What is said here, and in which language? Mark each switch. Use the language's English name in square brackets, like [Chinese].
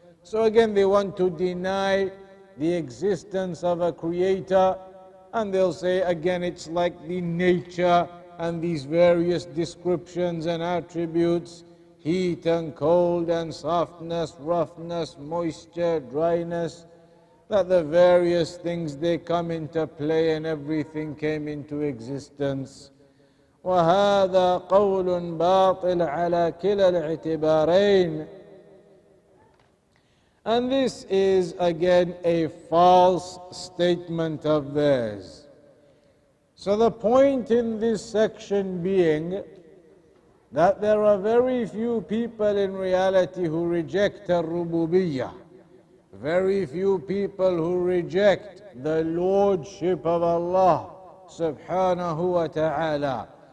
[English] So again, they want to deny the existence of a creator, and they'll say again, it's like the nature and these various descriptions and attributes, heat and cold and softness, roughness, moisture, dryness, that the various things, they come into play and everything came into existence. [Arabic] وهذا قول باطل على كلا الاعتبارين. [English] And this is again a false statement of theirs. So the point in this section being that there are very few people in reality who reject ar-rububiyyah, very few people who reject the lordship of Allah subhanahu wa ta'ala.